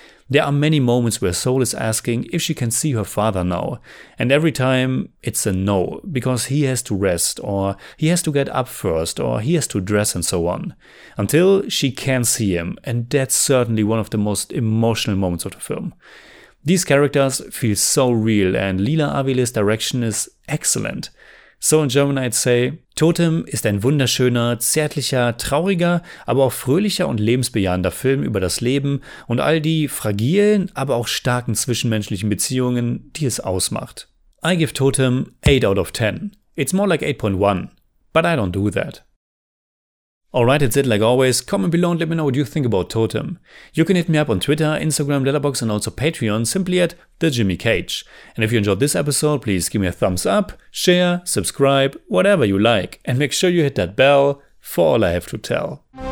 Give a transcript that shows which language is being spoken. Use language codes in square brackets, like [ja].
[en] There are many moments where Sol is asking if she can see her father now, and every time it's a no, because he has to rest, or he has to get up first, or he has to dress and so on. Until she can see him, and that's certainly one of the most emotional moments of the film. These characters feel so real, and Lila Avilés' direction is excellent. So in German I'd say, [de] Totem ist ein wunderschöner, zärtlicher, trauriger, aber auch fröhlicher und lebensbejahender Film über das Leben und all die fragilen, aber auch starken zwischenmenschlichen Beziehungen, die es ausmacht. [en] I give Totem 8 out of 10. It's more like 8.1, but I don't do that. Alright, that's it like always. Comment below and let me know what you think about Totem. You can hit me up on Twitter, Instagram, Letterboxd and also Patreon simply at The Jimmy Cage. And if you enjoyed this episode, please give me a thumbs up, share, subscribe, whatever you like. And make sure you hit that bell for all I have to tell.